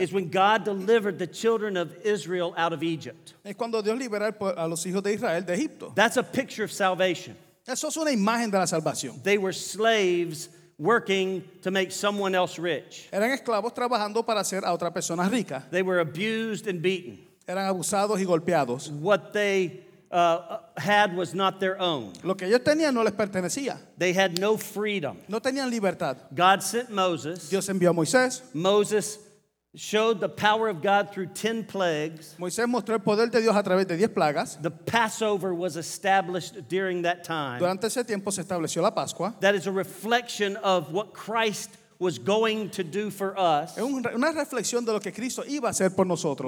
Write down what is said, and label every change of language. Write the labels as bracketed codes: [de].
[en] is when God delivered the children of Israel out of Egypt. [es] Es cuando Dios liberó a los hijos de Israel de Egipto. [en] That's a picture of salvation. [es] Eso es una imagen de la salvación. [en] They were slaves working to make someone else rich. [es] Eran esclavos trabajando para hacer a otra persona rica. [en] They were abused and beaten. [es] Eran abusados y golpeados. [en] What they had was not their own. [es] Lo que ellos tenían no les pertenecía. [en] They had no freedom. [es] No tenían libertad. [en] God sent Moses. [es] Dios envió a Moisés. [en] Moses showed the power of God through 10 plagues. [es] Moisés mostró el poder de Dios a través de 10 plagas. [en] The Passover was established during that time. [es] Durante ese tiempo se estableció la Pascua. [en] That is a reflection of what Christ was going to do for us. [es] Una reflexión de lo que Cristo iba a hacer por nosotros.